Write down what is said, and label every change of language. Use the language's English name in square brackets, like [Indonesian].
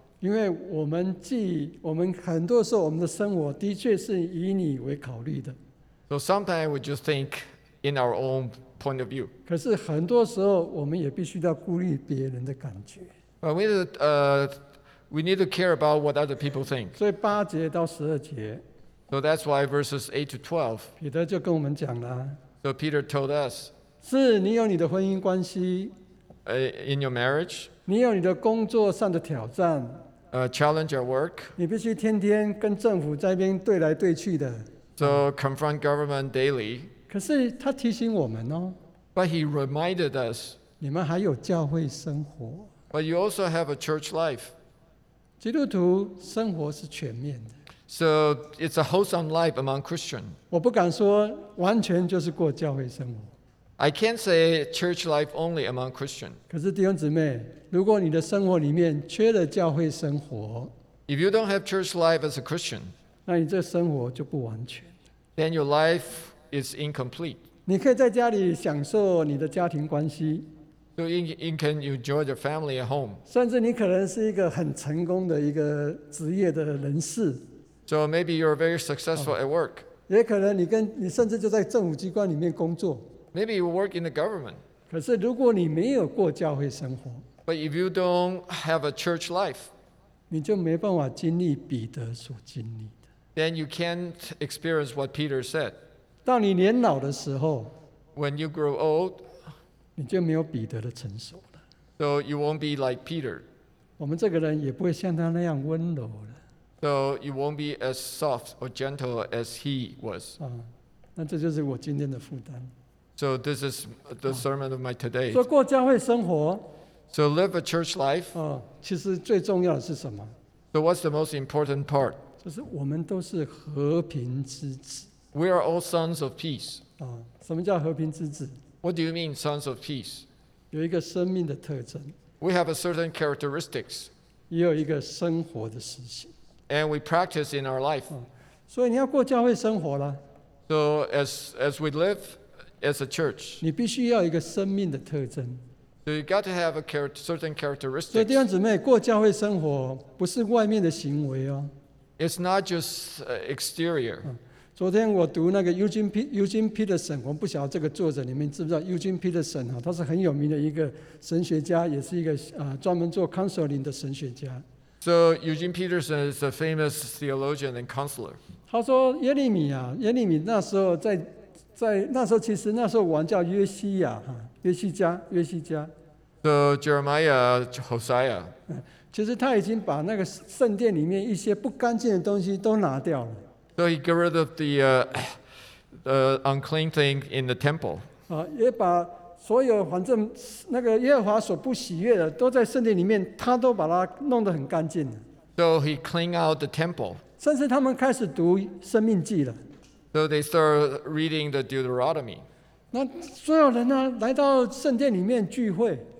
[Chinese] 因为我们很多时候我们的生活的确是以你为考虑的。 [English] So sometimes we just think in our own. Point of view. [Chinese] 可是很多时候，我们也必须要顾虑别人的感觉。 [English] We need to care about what other people think. [Chinese] 所以八节到十二节。 [English] So that's why verses 8 to 12. [Chinese] 彼得就跟我们讲了。 [English] So Peter told us. [Chinese] 是你有你的婚姻关系。 [English] In your marriage. [Chinese] 你有你的工作上的挑战。 [English] Challenge at work. [Chinese] 你必须天天跟政府在那边对来对去的。 [English] So confront government daily. [Chinese] 可是他提醒我们哦。 [English] But he reminded us. [Chinese] 你们还有教会生活。 [English] But you also have a church life. [Chinese] 基督徒生活是全面的。 [English] So it's a wholesome life among Christians. [Chinese] 我不敢说完全就是过教会生活。 [English] I can't say church life only among Christians. [Chinese] 可是弟兄姊妹，如果你的生活里面缺了教会生活 [English] ，If you don't have church life as a Christian, [Chinese] 那你这生活就不完全。 [English] Then your life. Is incomplete. [Chinese] 你可以在家里享受你的家庭关系。 [English] So you can enjoy your family at home. [Chinese] 甚至你可能是一个很成功的一个职业的人士。 [English] So maybe you're very successful at work. [Chinese] 也可能你甚至就在政府机关里面工作。 [English] Maybe you work in the government. [Chinese] 可是如果你没有过教会生活。 [English] But if you don't have a church life. [Chinese] 你就没办法经历彼得所经历的。 [English] Then you can't experience what Peter said. [Chinese] 到你年老的时候 [English] ，When you grow old， [Chinese] 你就没有彼得的成熟了。 [English] So you won't be like Peter。 [Chinese] 我们这个人也不会像他那样温柔了。 [English] So you won't be as soft or gentle as he was。 啊， [Chinese] 那这就是我今天的负担。 [English] So this is the sermon of my today。 [Chinese] 说过教会生活。 [English] So live a church life。 啊， [Chinese] 其实最重要的是什么 [English] ？So what's the most important part？ [Chinese] 就是我们都是和平之子。 [English] We are all sons of peace. [Chinese] 什么叫和平之子？ [English] What do you mean, sons of peace? [Chinese] 有一个生命的特征。 [English] We have a certain characteristics. [Chinese] 也有一个生活的实行。 [English] And we practice in our life. [Chinese] 所以你要过教会生活了。 [English] So as we live as a church. [Chinese] 你必须要一个生命的特征。 [English] So you got to have a certain characteristics. [Chinese] 所以弟兄姊妹，过教会生活不是外面的行为哦。 [English] It's not just exterior. [Chinese] 昨天我读那个 Eugene Peterson， 我不晓得这个作者你们知不知道 Eugene Peterson 他是很有名的一个神学家，也是一个专门做 counseling 的神学家。 [English] So Eugene Peterson is a famous theologian and counselor. [Chinese] 他说耶利米啊，耶利米那时候在那时候其实那时候王叫约西亚哈，约西家。 [English] So Jeremiah, Hosea. [Chinese] 其实他已经把那个圣殿里面一些不干净的东西都拿掉了。 [English] So he got rid of the unclean thing in the temple. [Chinese] 也把所有反正那个耶和华所不喜悦的都在圣殿里面，他都把它弄得很干净。 [English] So he cleaned out the temple. [Chinese] 甚至他们开始读生命记了。 [English] So they start reading the Deuteronomy. [Chinese] 那所有人呢，来到圣殿里面聚会。